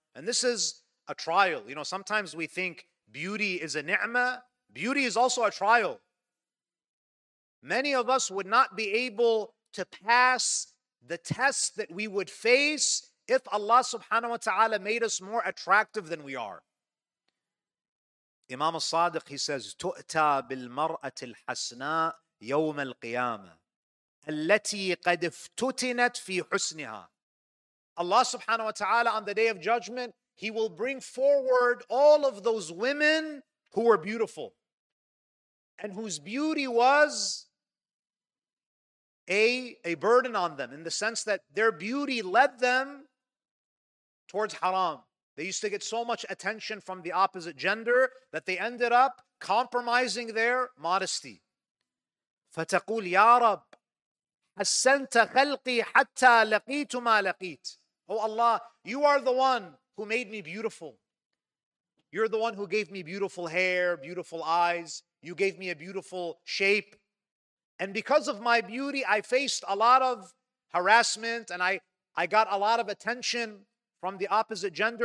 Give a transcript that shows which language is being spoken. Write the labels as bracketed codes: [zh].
[en] And this is a trial. You know, sometimes we think beauty is a ni'mah. Beauty is also a trial. Many of us would not be able to pass the test that we would face if Allah subhanahu wa ta'ala made us more attractive than we are. [ar] Imam al-Sadiq, [en] he says, [ar] تُؤْتَى بِالْمَرْأَةِ الْحَسْنَاءِ يَوْمَ الْقِيَامَةِ الَّتِي قَدْ افْتُتِنَتْ فِي حُسْنِهَا. [en] Allah subhanahu wa ta'ala on the day of judgment, he will bring forward all of those women who were beautiful and whose beauty was a burden on them, in the sense that their beauty led them towards haram. They used to get so much attention from the opposite gender that they ended up compromising their modesty. [ar] فتقول يا رب حسنت خلقي حتى لقيت ما لقيت. [en] Oh Allah, you are the one who made me beautiful. You're the one who gave me beautiful hair, beautiful eyes. You gave me a beautiful shape. And because of my beauty, I faced a lot of harassment and I got a lot of attention from the opposite gender.